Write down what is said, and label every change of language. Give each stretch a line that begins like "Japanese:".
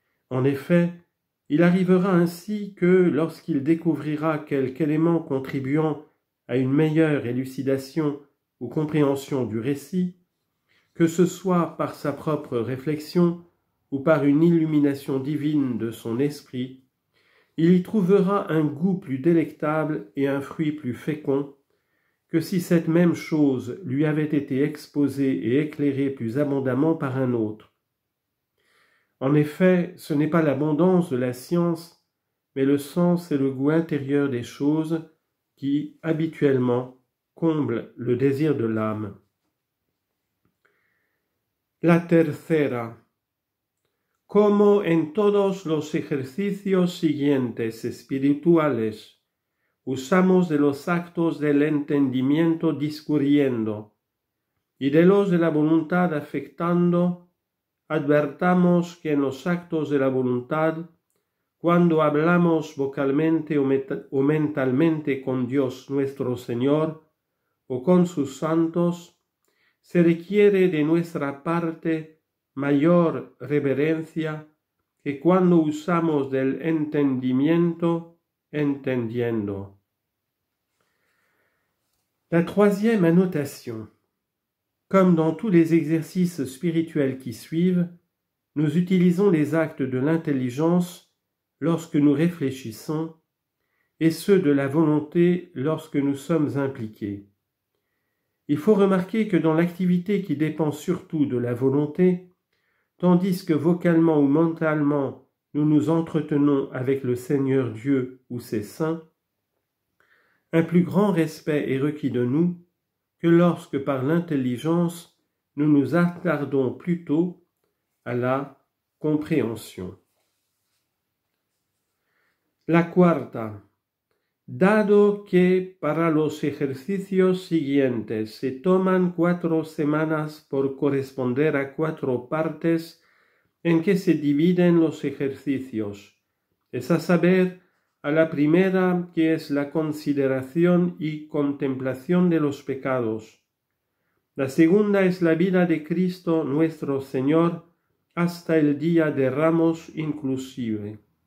French: En effet, il arrivera ainsi que, lorsqu'il découvrira quelque élément contribuant à une meilleure élucidation ou compréhension du récit, que ce soit par sa propre réflexion ou par une illumination divine de son esprit, il y trouvera un goût plus délectable et un fruit plus fécond que si cette même chose lui avait été exposée et éclairée plus abondamment par un autre. En effet, ce n'est pas l'abondance de la science, mais le sens et le goût intérieur des choses qui, habituellement, comblent le désir de l'âme.
Spanish: La tercera. Como en todos los ejercicios siguientes espirituales, usamos de los actos del entendimiento discurriendo y de los de la voluntad afectando, advertamos que en los actos de la voluntad, cuando hablamos vocalmente o mentalmente con Dios nuestro Señor o con sus santos, se requiere de nuestra parte mayor reverencia que cuando usamos del entendimiento entendiendo.
French: La troisième annotation. Comme dans tous les exercices spirituels qui suivent, nous utilisons les actes de l'intelligence lorsque nous réfléchissons et ceux de la volonté lorsque nous sommes impliqués. Il faut remarquer que dans l'activité qui dépend surtout de la volonté, tandis que vocalement ou mentalement nous nous entretenons avec le Seigneur Dieu ou ses saints, un plus grand respect est requis de nous que lorsque par l'intelligence nous nous attardons plutôt à la compréhension.
Spanish: La cuarta. Dado que para los ejercicios siguientes se toman 4 semanas por corresponder a 4 partes en que se dividen los ejercicios, es a saber, a la primera que es la consideración y contemplación de los pecados, la segunda es la vida de Cristo nuestro Señor hasta el día de Ramos inclusive.